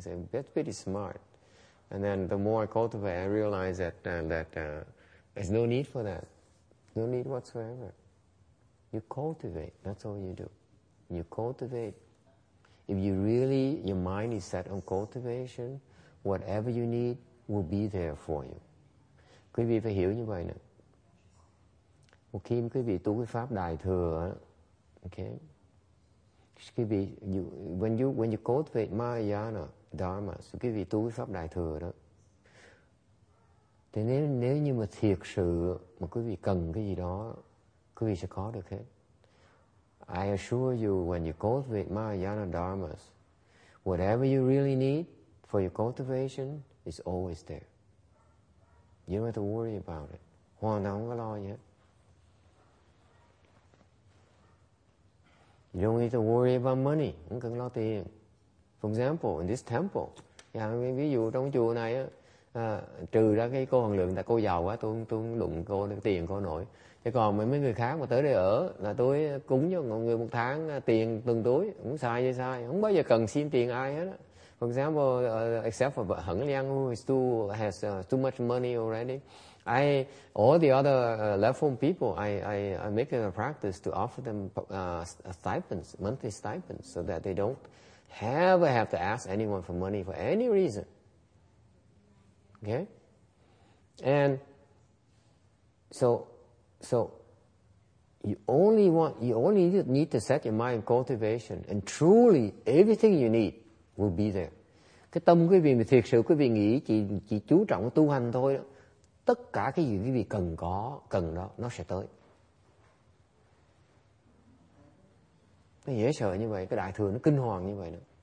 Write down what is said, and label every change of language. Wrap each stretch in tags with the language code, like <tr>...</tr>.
<en>I said, that's pretty smart. And then the more I cultivate, I realized that there's no need for that. No need whatsoever. You cultivate, that's all you do. You cultivate. If you really, your mind is set on cultivation, whatever you need will be there for you.</en> <vi>Quý vị phải hiểu như vậy nè. Một khi quý vị tu cái pháp đại thừa, okay, quý vị,</vi> <en>when you cultivate Mahayana Dharma,</en> <vi>so quý vị tu cái pháp đại thừa đó, thì nếu như mà thiệt sự mà quý vị cần cái gì đó, quý vị sẽ có được hết.</vi> <en>I assure you, when you cultivate Mahayana Dharma, whatever you really need for your cultivation is always there. You don't have to worry about it.</en> <vi>Hoàn toàn không có lo gì hết.</vi> <en>You don't need to worry about money.</en> <vi>Không cần lo tiền.</vi> <en>For example, in this temple,</en> <vi>ví dụ trong chùa này, trừ ra cái cô Hằng Lượng, tại cô giàu quá, tôi không đụng cô, tiền cô nổi. Chứ còn mấy người khác mà tới đây ở, là tôi cúng cho mọi người một tháng tiền từng túi, cũng sai vậy sai. Không bao giờ cần xin tiền ai hết á.</vi> <en>For example, except for Heng Liang, who has too much money already, all the other left-home people, I make it a practice to offer them stipends, monthly stipends, so that they don't ever have to ask anyone for money for any reason. Okay? And so you only need to set your mind on cultivation, and truly everything you need will be there.</en> <vi>Cái tâm quý vị mà thiệt sự quý vị nghĩ chỉ chú trọng tu hành thôi đó, tất cả cái gì quý vị cần có, cần đó, nó sẽ tới. Nó dễ sợ như vậy, cái đại thừa nó kinh hoàng như vậy đó.</vi>